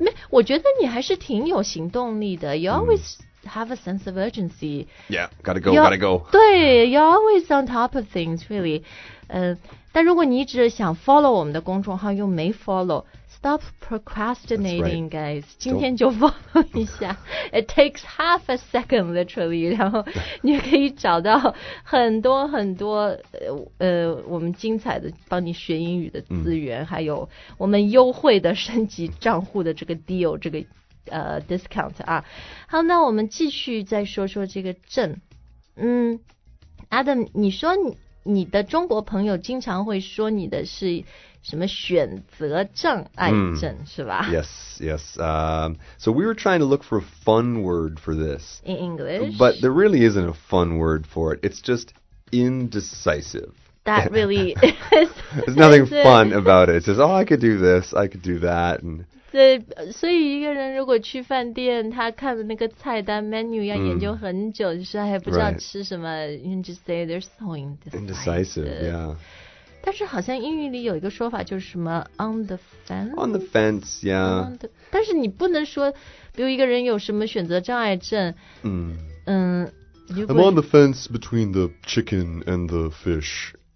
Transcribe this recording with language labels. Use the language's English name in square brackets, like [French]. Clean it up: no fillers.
[Chinese] 我觉得你还是挺有行动力的。 [English] You always have a sense of urgency. Yeah, gotta go, gotta go. 对 ,you're always on top of things, really. [Chinese] 但如果你一直想 follow 我们的公众号又没 follow, [English] stop procrastinating, guys. [Chinese] 今天就 follow 一下。 [English] It takes half a second, literally. [Chinese] 然后你可以找到很多很多我们精彩的帮你学英语的资源、还有我们优惠的升级账户的这个 deal, 这个discount 啊。好，那我们继续再说说这个证。Adam, 你说你的中国朋友经常会说你的是什么选择障碍症、是吧 [English] Yes, yes.、so we were trying to look for a fun word for this. In English? But there really isn't a fun word for it. It's just indecisive. That really is. There's nothing fun about it. It says, oh, I could do this, I could do that. And... [Chinese] 对，所以一个人如果去饭店，他看的那个菜单 menu 要研究很久，就是还不知道吃什么。 [English] You just say they're so indecisive. Yeah. [Chinese] 但是好像英语里有一个说法，就是什么 [English] on the fence. On the fence, yeah. The, [Chinese] 但是你不能说，比如一个人有什么选择障碍症。 [English] I'm on the fence between the chicken and the fish.